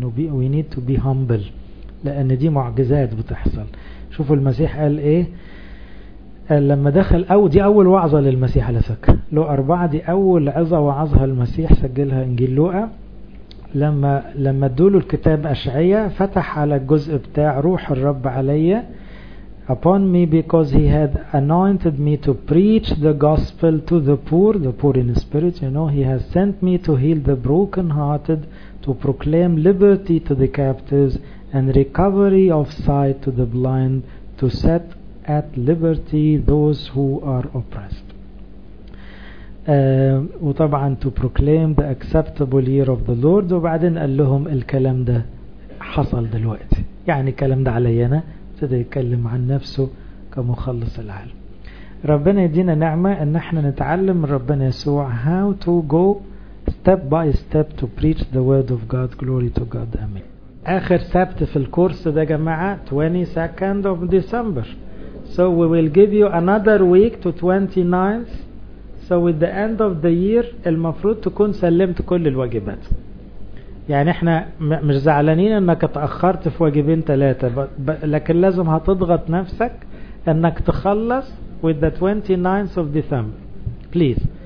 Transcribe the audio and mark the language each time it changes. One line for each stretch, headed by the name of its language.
English: We need to be humble.
Arabic: لأن دي معجزات بتحصل. شوفوا المسيح قال ايه؟ قال لما دخل دي أول وعظة للمسيح على فكرة. لو 4 دي أول عظة وعظها المسيح، سجلها إنجيل لوقا. لما دوله الكتاب أشعية، فتح على الجزء بتاع روح الرب علي.
English: Upon me because he had anointed me to preach the gospel to the poor in spirit, you know, he has sent me to heal the brokenhearted, to proclaim liberty to the captives and recovery of sight to the blind, to set at liberty those who are oppressed. وطبعا to proclaim the acceptable year of the Lord.
Arabic: وبعدين قال لهم الكلام ده حصل دلوقتي، يعني الكلام ده علينا. ابتدى يتكلم عن نفسه كمخلص العالم. ربنا يدينا نعمة ان احنا نتعلم من ربنا يسوع
English: how to go step by step to preach the word of God. Glory to God. Amen.
Arabic: اخر سبت في الكورس ده جماعة
English: 22nd of December. So we will give you another week to 29th. So with the end of the year
Arabic: المفروض تكون سلمت كل الواجبات. يعني احنا مش زعلانين انك اتأخرت في واجبين ثلاثة، لكن لازم هتضغط نفسك انك تخلص
English: with the 29th of December please.